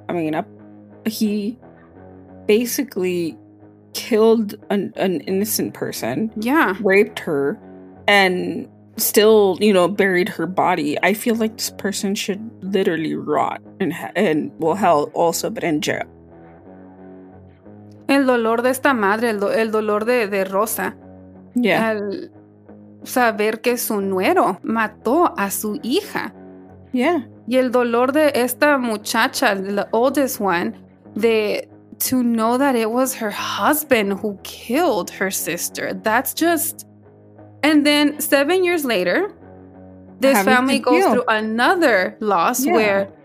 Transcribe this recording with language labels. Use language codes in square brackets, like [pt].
[en] I mean, he basically killed an innocent person. Yeah. Raped her and still, you know, buried her body. I feel like this person should literally rot in hell also, but in jail. [es] El dolor de esta madre, el dolor de Rosa. [en] Yeah. [es] Saber que su nuero mató a su hija. [en] Yeah. [es] Y el dolor de esta muchacha, [en] the oldest one, to know that it was her husband who killed her sister. That's just... And then 7 years later, this family goes through another loss where